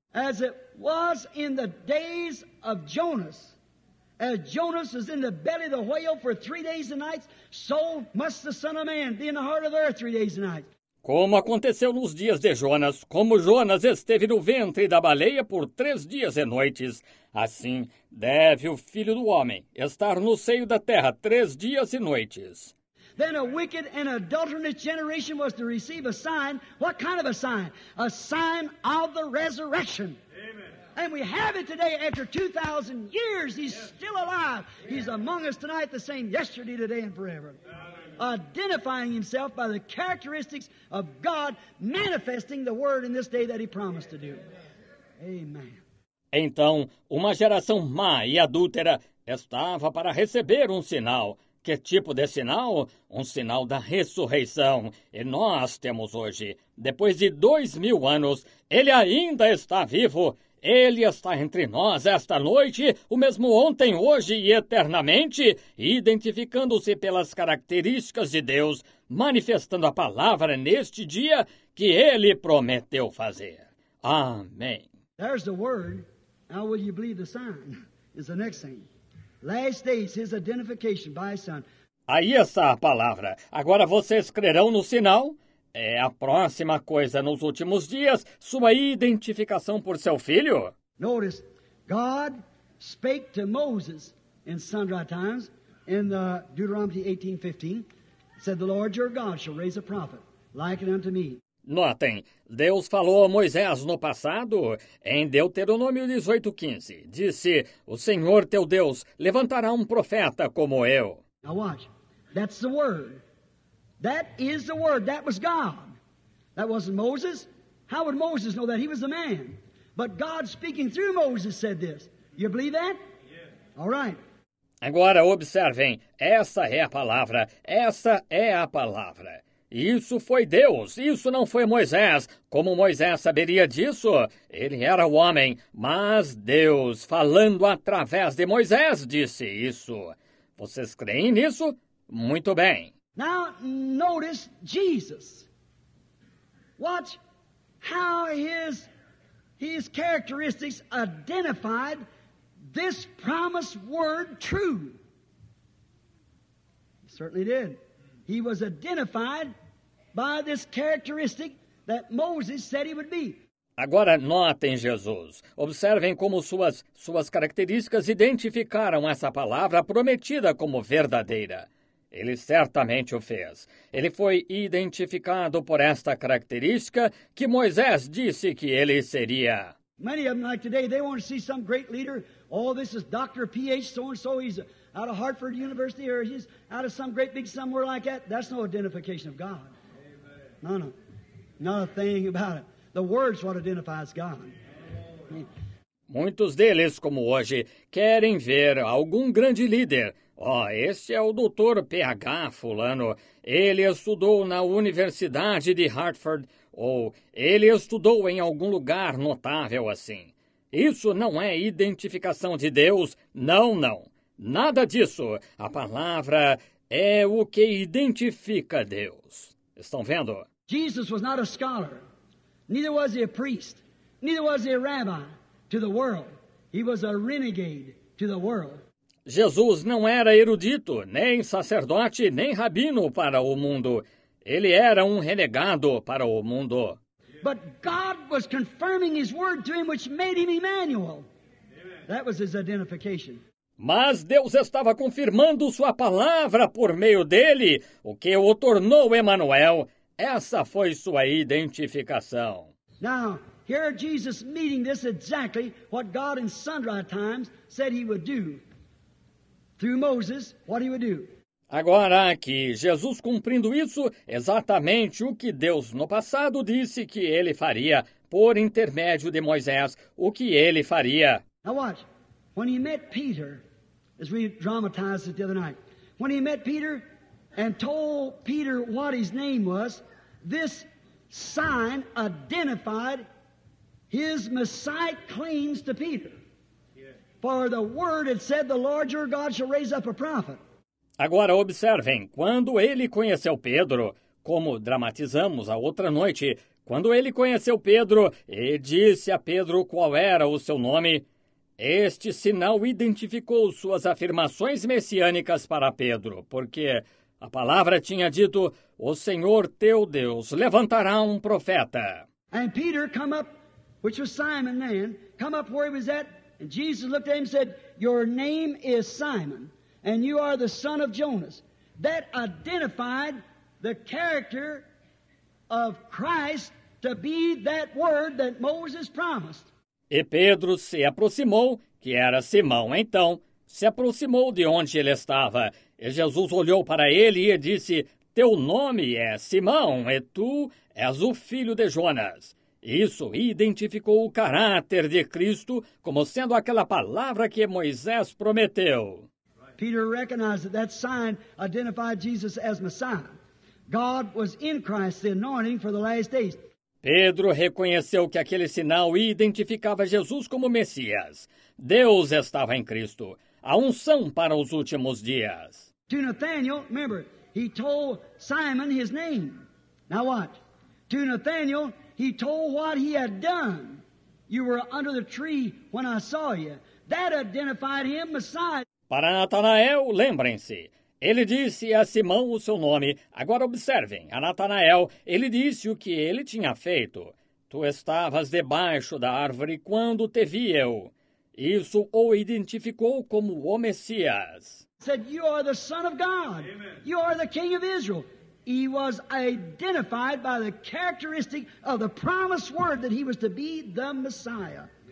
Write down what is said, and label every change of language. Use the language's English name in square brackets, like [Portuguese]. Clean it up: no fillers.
[English] As it was in the days of Jonas. As Jonas was in the belly of the whale for 3 days and nights, so must the Son of Man be in the heart of the earth 3 days and nights. [Portuguese] Como aconteceu nos dias de Jonas, como Jonas esteve no ventre da baleia por 3 dias e noites, assim deve o Filho do Homem estar no seio da terra 3 dias e noites. [English] Then a wicked and adulterous generation was to receive a sign. What kind of a sign? A sign of the resurrection. Amen. And we have it today after 2,000 years. He's yes. still alive. Yes. He's among us tonight, the same yesterday, today, and forever. Identifying himself by the characteristics of God, manifesting the word in this day that he promised to do. Amen. [Portuguese] Então, uma geração má e adúltera estava para receber um sinal. Que tipo de sinal? Um sinal da ressurreição. E nós temos hoje, depois de 2,000 anos, ele ainda está vivo. Ele está entre nós esta noite, o mesmo ontem, hoje e eternamente, identificando-se pelas características de Deus, manifestando a palavra neste dia que ele prometeu fazer. Amém. [English] There's the word. How will you believe the sign? Is the next thing. Last days, his identification by his son. [Portuguese] Aí está a palavra. Agora vocês crerão no sinal? É a próxima coisa nos últimos dias, sua identificação por seu filho. [English] Notice, God spake to Moses in sundry times, in the Deuteronomy 18:15, said, the Lord your God shall raise a prophet, like it unto me. [Portuguese] Notem, Deus falou a Moisés no passado, em Deuteronômio 18:15, disse, o Senhor teu Deus levantará um profeta como eu. [English] Now watch, that's the word. That is the word. That was God. That wasn't Moses. How would Moses know that? He was a man. But God speaking through Moses said this. You believe that? Yeah. All right. [Portuguese] Agora observem. Essa é a palavra. Essa é a palavra. Isso foi Deus. Isso não foi Moisés. Como Moisés saberia disso? Ele era o homem. Mas Deus, falando através de Moisés, disse isso. Vocês creem nisso? Muito bem. [English] Now, notice Jesus. Watch how his characteristics identified this promised word true. He certainly did. He was identified by this characteristic that Moses said he would be. [Portuguese] Agora, notem Jesus. Observem como suas características identificaram essa palavra prometida como verdadeira. Ele certamente o fez. Ele foi identificado por esta característica que Moisés disse que ele seria. [English] Many of them, like today, they want to see some great leader. Oh, this is Dr. P.H. so-and-so. He's out of Hartford University, or he's out of some great big somewhere like that. That's no identification of God. Amen. No, no. Not a thing about it. The Word's what identifies God. Amen. [Portuguese] Muitos deles, como hoje, querem ver algum grande líder. Oh, esse é o Dr. PH fulano. Ele estudou na Universidade de Hartford, ou ele estudou em algum lugar notável assim. Isso não é identificação de Deus, não, não. Nada disso. A palavra é o que identifica Deus. Estão vendo? [English] Jesus was not a scholar, neither was he a priest, neither was he a rabbi to the world. He was a renegade to the world. [Portuguese] Jesus não era erudito, nem sacerdote, nem rabino para o mundo. Ele era um renegado para o mundo. [English] But God was confirming his word to him, which made him Emmanuel. That was his identification. [Portuguese] Mas Deus estava confirmando sua palavra por meio dele, o que o tornou Emmanuel. Essa foi sua identificação. [English] Now, here Jesus meeting this exactly what God in sundry times said he would do. Through Moses, what he would do. [Portuguese] Agora aqui, Jesus cumprindo isso, exatamente o que Deus no passado disse que ele faria por intermédio de Moisés, o que ele faria. [English] Now watch, when he met Peter, as we dramatized it the other night, when he met Peter and told Peter what his name was, this sign identified his Messiah claims to Peter. For the word had said, the Lord your God shall raise up a prophet. [Portuguese] Agora observem, quando ele conheceu Pedro, como dramatizamos a outra noite, quando ele conheceu Pedro e disse a Pedro qual era o seu nome, este sinal identificou suas afirmações messiânicas para Pedro, porque a palavra tinha dito, o Senhor teu Deus levantará um profeta. [English] And Peter come up, which was Simon then, come up where he was at, and Jesus looked at him and said, your name is Simon, and you are the son of Jonas. That identified the character of Christ to be that word that Moses promised. [Portuguese] E Pedro se aproximou, que era Simão então, se aproximou de onde ele estava. E Jesus olhou para ele e disse, teu nome é Simão, e tu és o filho de Jonas. Isso identificou o caráter de Cristo como sendo aquela palavra que Moisés prometeu. [English] Peter recognized that that sign identified Jesus as Messiah. God was in Christ, the anointing for the last days. [Portuguese] Pedro reconheceu que aquele sinal identificava Jesus como Messias. Deus estava em Cristo, a unção para os últimos dias. [English] To Nathanael, remember, he told Simon his name. Now what? To Nathanael, he told what he had done. You were under the tree when I saw you. That identified him, Messiah. [Portuguese] Para Natanael, lembrem-se. Ele disse a Simão o seu nome. Agora observem. A Natanael, ele disse o que ele tinha feito. Tu estavas debaixo da árvore quando te vi eu. Isso o identificou como o Messias. [English] He said, you are the son of God. Amen. You are the king of Israel. He was identified by the characteristic of the promised word that he was to be the Messiah.